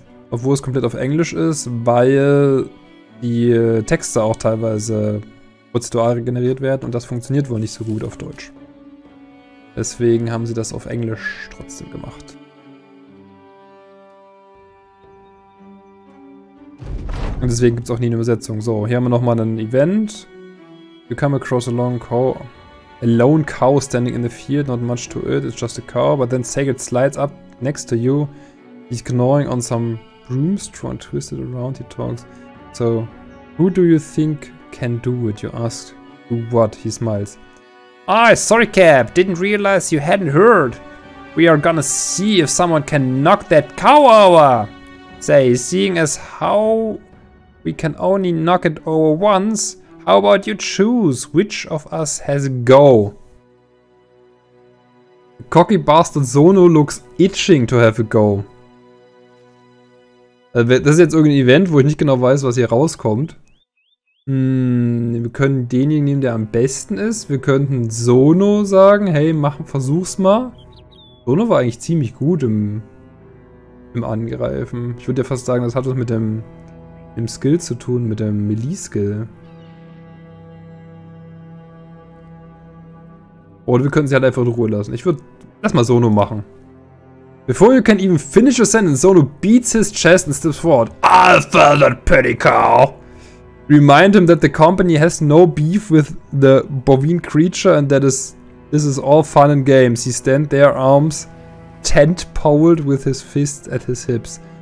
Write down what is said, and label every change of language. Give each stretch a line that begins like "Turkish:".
German: Obwohl es komplett auf Englisch ist, weil die Texte auch teilweise prozedural generiert werden und das funktioniert wohl nicht so gut auf Deutsch. Deswegen haben sie das auf Englisch trotzdem gemacht. Und deswegen gibt es auch nie eine Übersetzung. So, hier haben wir nochmal ein Event.
English: You come across a lone cow standing in the field, not much to it, it's just a cow, but then Sagitt slides up next to you. He's gnawing on some broomstraw and twisted around, he talks. So, who do you think can do it? You ask. Do what? He smiles. Ah, sorry, Cap. Didn't realize you hadn't heard. We are gonna see if someone can knock that cow over. Say, seeing as how we can only knock it over once, how about you choose which of us has a go? The cocky bastard Zono looks itching to have a go.
German: Das ist jetzt irgendein Event, wo ich nicht genau weiß, was hier rauskommt. Wir können denjenigen nehmen, der am besten ist. Wir könnten Zono sagen, hey, versuch's mal. Zono war eigentlich ziemlich gut im Angreifen. Ich würde ja fast sagen, das hat was mit dem Skill zu tun, mit dem Melee-Skill. Oder wir könnten sie halt einfach in Ruhe lassen. Lass mal Zono machen.
English: Before you can even finish your sentence, Zono beats his chest and steps forward. I'll fell that petty cow! Remind him that the company has no beef with the bovine creature and that this is all fun and games. He stands there, arms tent-poled with his fists at his hips.